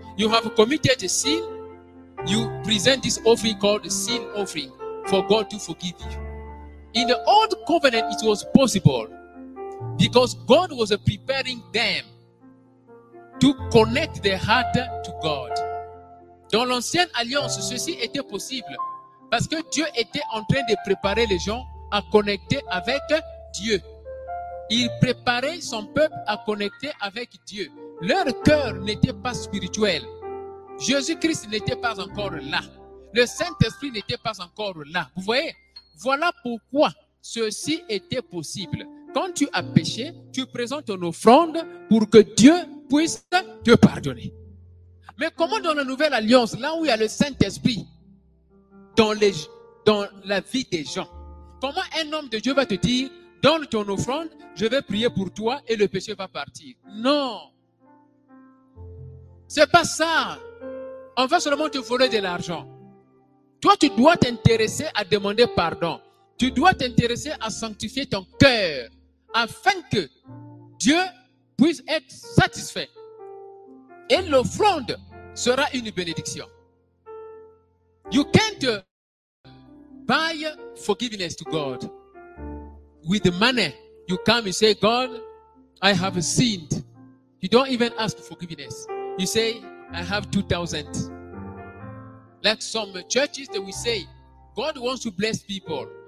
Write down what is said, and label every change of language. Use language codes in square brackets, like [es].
[en] You have committed a sin, you present this offering called a sin offering for God to forgive you. In the old covenant, it was possible because God was preparing them to connect their heart to God. [fr] Dans l'ancienne alliance, ceci était possible parce que Dieu était en train de préparer les gens à connecter avec Dieu. Il préparait son peuple à connecter avec Dieu. Leur cœur n'était pas spirituel. Jésus-Christ n'était pas encore là. Le Saint-Esprit n'était pas encore là. Vous voyez? Voilà pourquoi ceci était possible. Quand tu as péché, tu présentes ton offrande pour que Dieu puisse te pardonner. Mais comment dans la Nouvelle Alliance, là où il y a le Saint-Esprit dans la vie des gens, comment un homme de Dieu va te dire, donne ton offrande, je vais prier pour toi et le péché va partir? Non. C'est pas ça. On va seulement te voler de l'argent. Toi, tu dois t'intéresser à demander pardon. Tu dois t'intéresser à sanctifier ton cœur afin que Dieu puisse être satisfait. Et l'offrande sera une bénédiction. [en] You can't buy forgiveness to God with the money. You come and say, God, I have sinned. You don't even ask forgiveness. You say, I have 2,000. Like some churches that we say, God wants to bless people.